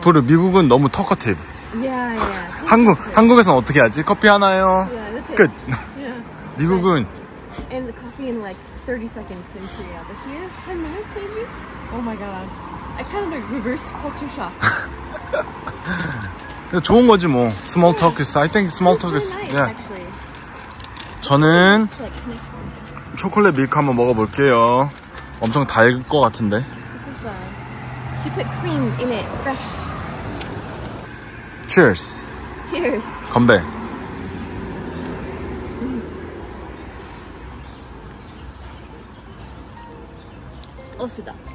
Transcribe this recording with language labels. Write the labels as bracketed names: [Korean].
[Korean] 그리고 미국은 너무 터커티브. [English] Yeah. [Korean] 한국에서는 어떻게 하지? 커피 하나요? [English] Yeah, [Korean] 끝. 미국은 [English] and the coffee in like 30 seconds in Korea, but here, 10 minutes maybe? Oh my god. I kind of like reverse culture shock. [Korean] 좋은 거지 뭐. [English] Small talk is, I think small talk is, yeah. [Korean] 저는 초콜릿 밀크 한번 먹어볼게요. 엄청 달 것 같은데. [English] She put cream in it, fresh. Cheers. Cheers. [Korean] 건배. 어, 쓰다.